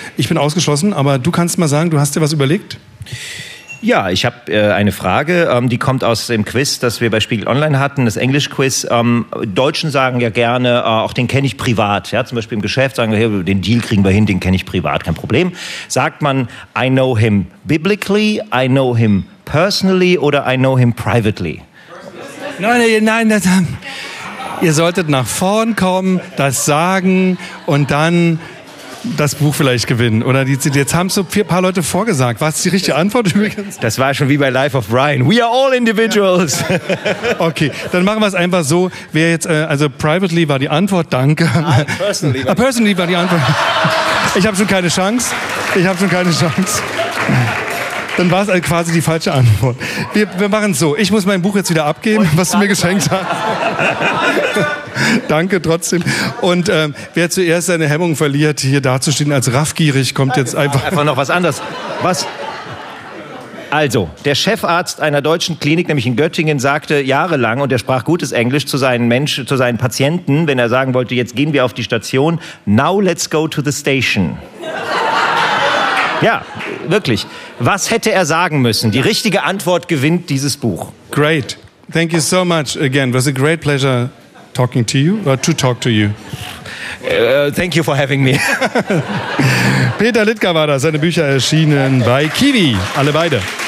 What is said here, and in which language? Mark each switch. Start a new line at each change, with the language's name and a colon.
German: Ich bin ausgeschlossen, aber du kannst mal sagen, du hast dir was überlegt. Ja, ich habe eine Frage, die kommt aus dem Quiz, das wir bei Spiegel Online hatten, das Englisch-Quiz. Deutschen sagen ja gerne, auch den kenne ich privat. Ja, zum Beispiel im Geschäft sagen wir, hey, den Deal kriegen wir hin, den kenne ich privat, kein Problem. Sagt man,
English: I know him biblically, I know him personally oder I know him privately?
German: Nein, das, ihr solltet nach vorn kommen, das sagen und dann... das Buch vielleicht gewinnen. Oder jetzt haben es so ein paar Leute vorgesagt. War es die richtige Antwort übrigens? Das war schon wie bei Life of Brian.
English: We are all individuals.
German: Ja. Okay, dann machen wir es einfach so. Wer jetzt, also privately war die Antwort, danke.
English: Personally
German: war die Antwort. Ich habe schon keine Chance. Dann war es halt quasi die falsche Antwort. Wir machen es so. Ich muss mein Buch jetzt wieder abgeben, was du mir geschenkt hast. Danke trotzdem. Und wer zuerst seine Hemmung verliert, hier dazustehen als raffgierig, kommt jetzt einfach... Einfach noch was anderes. Was? Also, der Chefarzt einer deutschen Klinik, nämlich in Göttingen, sagte jahrelang, und er sprach gutes Englisch zu seinen Patienten, wenn er sagen wollte, jetzt gehen wir auf die Station.
English: Now let's go to the station.
German: Ja, wirklich. Was hätte er sagen müssen? Die richtige Antwort gewinnt dieses Buch.
English: Great. Thank you so much again. It was a great pleasure talking to you, or to talk to you. Thank you for having me.
German: Peter Littger war da. Seine Bücher erschienen bei Kiwi. Alle beide.